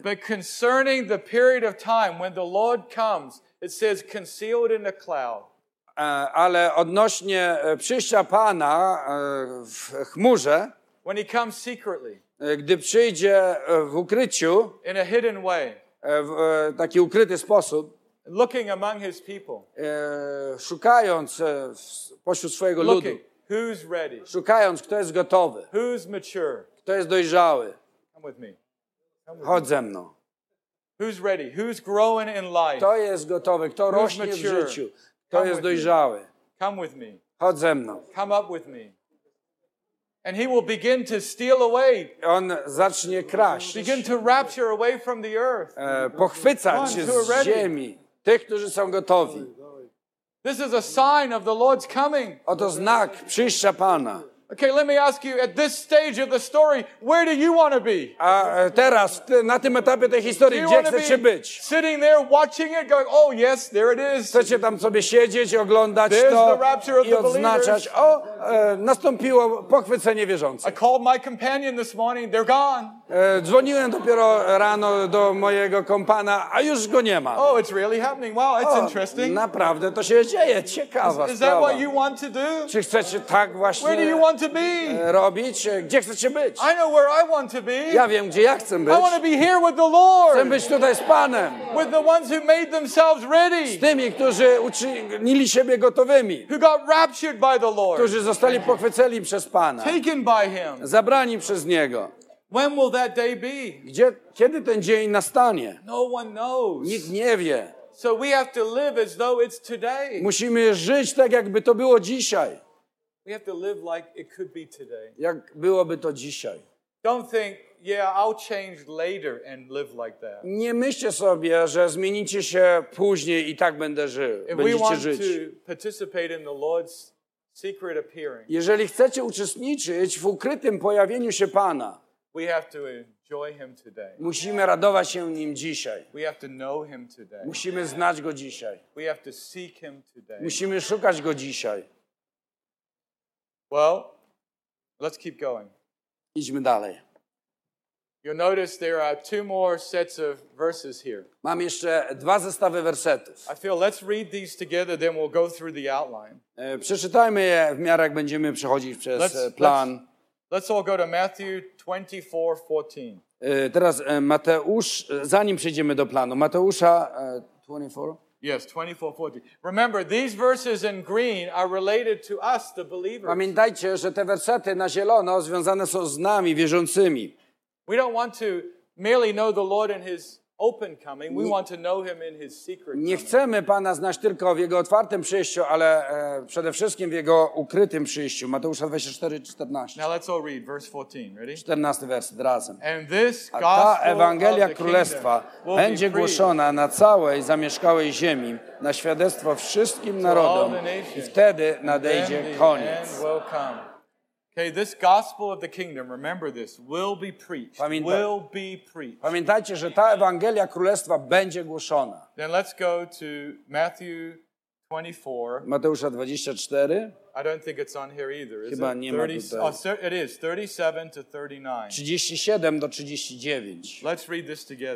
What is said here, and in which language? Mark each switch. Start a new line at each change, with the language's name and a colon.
English: But concerning the period of time when the Lord comes, it says concealed in a cloud.
Polish: Ale odnośnie przyjścia Pana w chmurze,
English: when he comes secretly,
Polish: gdy przyjdzie w ukryciu,
English: in a hidden way,
Polish: w taki ukryty sposób,
English: looking among his people,
Polish: szukając pośród swojego
English: looking,
Polish: ludu,
English: who's ready,
Polish: szukając, kto jest gotowy,
English: who's mature,
Polish: kto jest dojrzały.
English: Come with me.
Polish: Chodź ze mną.
English: Who's ready? Who's growing in life?
Polish: Kto jest gotowy? Kto
English: who's
Polish: rośnie
English: mature?
Polish: W życiu? Kto
English: come
Polish: jest dojrzały?
English: Come with me.
Polish: Chodź ze mną.
English: Come up with me. And he will begin to steal away.
Polish: On zacznie kraść.
English: Begin to rapture away from the earth.
Polish: Pochwycać się z ziemi tych, którzy są gotowi.
English: This is a sign of the Lord's coming.
Polish: Oto znak przyjścia Pana.
English: Okay, let me ask you at this stage of the story, where do you want to be?
Polish: A teraz na tym etapie tej historii, gdzie chcecie być?
English: Sitting there watching it going, "Oh yes, there it is."
Polish: Chcecie tam sobie siedzieć, oglądać to i odznaczać, o, nastąpiło pochwycenie wierzących.
English: I called my companion this morning, they're gone.
Polish: Dzwoniłem dopiero rano do mojego kompana, a już go nie ma.
English: Oh, it's really happening. Wow, it's interesting.
Polish: Naprawdę to się dzieje. Ciekawa sprawa.
English: Is that what you want to do?
Polish: Czy chcecie tak właśnie?
English: Where do you want to be?
Polish: Robić? Gdzie chcecie być?
English: I know where I want to be.
Polish: Ja wiem, gdzie ja chcę być.
English: I want to be here with the Lord.
Polish: Chcę być tutaj z Panem.
English: With the ones who made themselves ready.
Polish: Z tymi, którzy uczynili siebie gotowymi.
English: Who got raptured by the Lord.
Polish: Którzy zostali pochwyceni przez Pana.
English: Taken by him.
Polish: Zabrani przez Niego.
English: When will that day be?
Polish: Kiedy ten dzień nastanie?
English: No one knows.
Polish: Nikt nie wie.
English: So we have to live as though it's today.
Polish: Musimy żyć tak, jakby to było dzisiaj.
English: We have to live like it could be today.
Polish: Jak byłoby to dzisiaj.
English: Don't think, yeah, I'll change later and live like that.
Polish: Nie myślcie sobie, że zmienicie się później i tak będę żył. Będziecie żyć.
English: If we want to participate in the Lord's secret appearing.
Polish: Jeżeli chcecie uczestniczyć w ukrytym pojawieniu się Pana,
English: we have to enjoy him today.
Polish: Musimy radować się nim dzisiaj.
English: We have to know him today.
Polish: Musimy znać go dzisiaj.
English: We have to seek him today.
Polish: Musimy szukać go dzisiaj.
English: Well, let's keep going.
Polish: Idźmy dalej.
English: You'll notice there are two more sets of verses here.
Polish: Mam jeszcze dwa zestawy wersetów.
English: I feel let's read these together, then we'll go through the outline.
Polish: Przeczytajmy je w miarę jak będziemy przechodzić przez plan.
English: Let's all go to Matthew 24:14.
Polish: Teraz Mateusz, zanim przejdziemy do planu, Mateusza 24.
English: Yes, 24:14. Remember, these verses in green are related to us, the believers.
Polish: Pamiętajcie, że te wersety na zielono związane są z nami, wierzącymi.
English: We don't want to merely know the Lord in his open coming. We want to know him in his secret.
Polish: Nie chcemy Pana znać tylko w jego otwartym przyjściu, ale przede wszystkim w jego ukrytym przyjściu. Mateusza 24:14.
English: Now let's all read verse 14. Ready?
Polish: 14 werset razem.
English: And this gospel,
Polish: a ta Ewangelia Królestwa będzie głoszona na całej zamieszkałej ziemi na świadectwo wszystkim narodom i wtedy nadejdzie koniec.
English: Okay, this gospel of the kingdom, remember this, will be preached. Will be preached.
Polish: Pamiętajcie, że ta Ewangelia Królestwa będzie głoszona.
English: Then let's go to Matthew 24.
Polish: Mateusza 24.
English: I don't think it's on here either, is
Polish: chyba
English: it?
Polish: Nie 30, ma tutaj.
English: Oh, it is, 37 to 39.
Polish: 37 do 39.
English: Let's read this together.